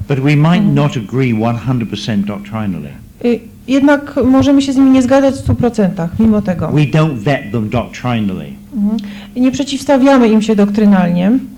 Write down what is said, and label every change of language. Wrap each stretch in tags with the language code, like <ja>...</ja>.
<en>But we might not agree 100% doctrinally.</en> <pl>Jednak możemy się z nimi nie zgadzać w 100%, mimo tego.</pl> <en>We don't vet them doctrinally.</en> <pl>Nie przeciwstawiamy im się doktrynalnie.</pl>